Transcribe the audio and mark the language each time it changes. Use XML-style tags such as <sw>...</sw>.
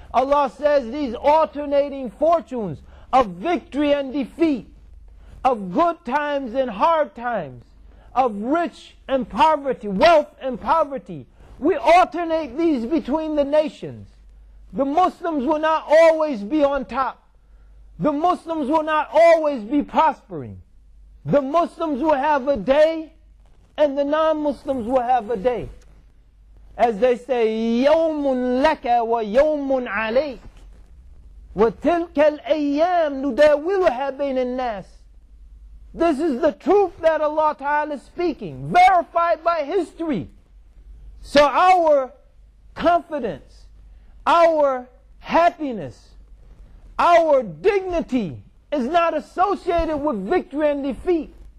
<en>Allah says these alternating fortunes of victory and defeat, of good times and hard times, of rich and poverty, wealth and poverty. We alternate these between the nations. The Muslims will not always be on top. The Muslims will not always be prospering. The Muslims will have a day, and the non-Muslims will have a day. As they say,</en> <ar>يَوْمٌ لَكَ وَيَوْمٌ عَلَيْكَ وَتِلْكَ الْأَيَّامِ نُدَاوِلُهَا بَيْنَ النَّاسِ.</ar> <en>This is the truth that Allah Ta'ala is speaking, verified by history. So our confidence, our happiness, our dignity is not associated with victory and defeat.</en>